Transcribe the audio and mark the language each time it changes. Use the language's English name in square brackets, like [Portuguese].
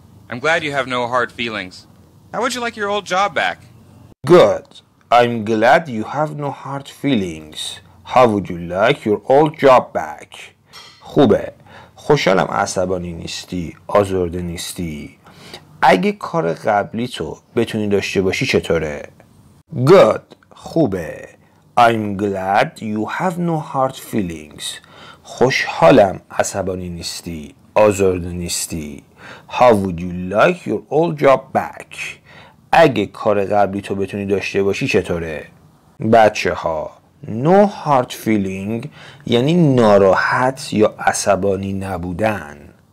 [English] I'm glad you have no hard feelings. How would you like your old job back? Good. I'm glad you have no hard feelings. How would you like your old job back? [Persian] خوبه. خوشحالم عصبانی نیستی، آزرده نیستی. اگه کار قبلی تو بتونی داشته باشی چطوره؟ [English] Good. [Persian] خوبه. [English] I'm glad you have no hard feelings. [Persian] خوشحالم عصبانی نیستی، آزرده نیستی. [English] How would you like your old job back? [Persian] اگه کار قبلی تو بتونی داشته باشی چطوره؟ بچه ها، no hard feeling یعنی ناراحت یا عصبانی نبودن.